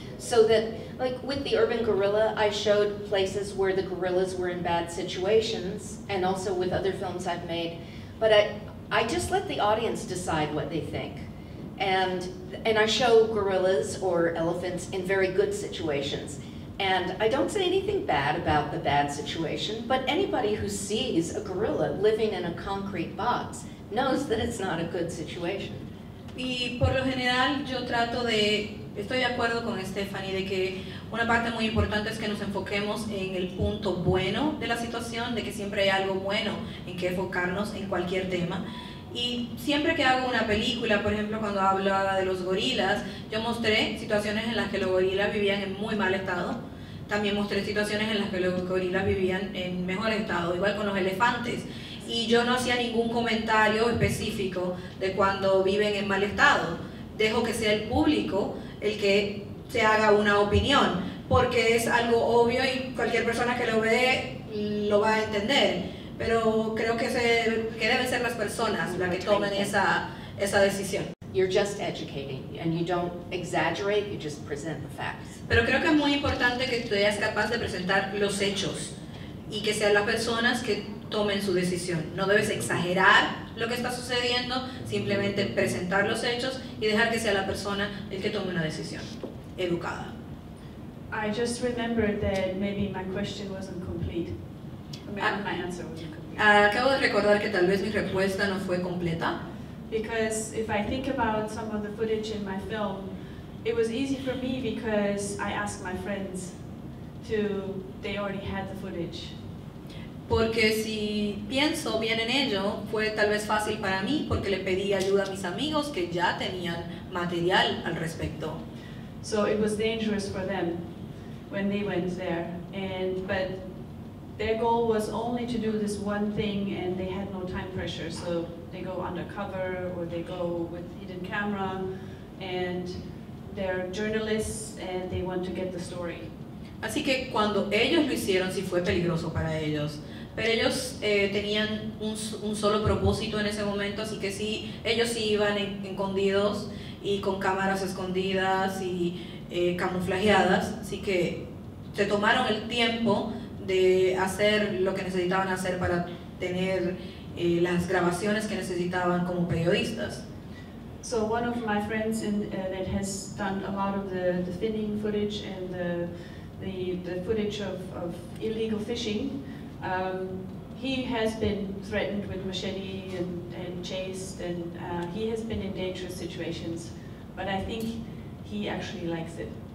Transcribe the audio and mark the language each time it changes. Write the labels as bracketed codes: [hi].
[en] So that, like with the urban gorilla, I showed places where the gorillas were in bad situations, and also with other films I've made, but I just let the audience decide what they think. And I show gorillas or elephants in very good situations. And I don't say anything bad about the bad situation, but anybody who sees a gorilla living in a concrete box knows that it's not a good situation. [es] Y por lo general yo trato de, estoy de acuerdo con Stephanie de que una parte muy importante es que nos enfoquemos en el punto bueno de la situación, de que siempre hay algo bueno en que enfocarnos en cualquier tema. Y siempre que hago una película, por ejemplo cuando hablaba de los gorilas, yo mostré situaciones en las que los gorilas vivían en muy mal estado. También mostré situaciones en las que los gorilas vivían en mejor estado, igual con los elefantes. Y yo no hacía ningún comentario específico de cuando viven en mal estado. Dejo que sea el público el que se haga una opinión, porque es algo obvio y cualquier persona que lo ve lo va a entender. Pero creo que, que deben ser las personas las que tomen esa decisión. [en] You're just educating and you don't exaggerate, you just present the facts. [es] Pero creo que es muy importante que tú seas capaz de presentar los hechos y que sean las personas que tomen su decisión. No debes exagerar lo que está sucediendo, simplemente presentar los hechos y dejar que sea la persona el que tome una decisión educada. [en] I just remembered that maybe my question wasn't complete. My answer wasn't complete. [es] Acabo de recordar que tal vez mi respuesta no fue completa. [en] Because if I think about some of the footage in my film, it was easy for me because I asked my friends to, they already had the footage. [es] Porque si pienso bien en ello, fue tal vez fácil para mí porque le pedí ayuda a mis amigos que ya tenían material al respecto. [en] So it was dangerous for them when they went there. And, but their goal was only to do this one thing and they had no time pressure. So they go undercover or they go with hidden camera and they're journalists and they want to get the story. [es] Así que cuando ellos lo hicieron, sí fue peligroso para ellos. Pero ellos tenían un solo propósito en ese momento, así que sí, ellos sí iban escondidos y con cámaras escondidas y camuflajeadas, así que se tomaron el tiempo de hacer lo que necesitaban hacer para tener las grabaciones que necesitaban como periodistas. [en] So one of my friends in, that has done a lot of the finning footage and the footage of illegal fishing, he has been threatened with machete and chased, and he has been in dangerous situations, but I think he actually likes it.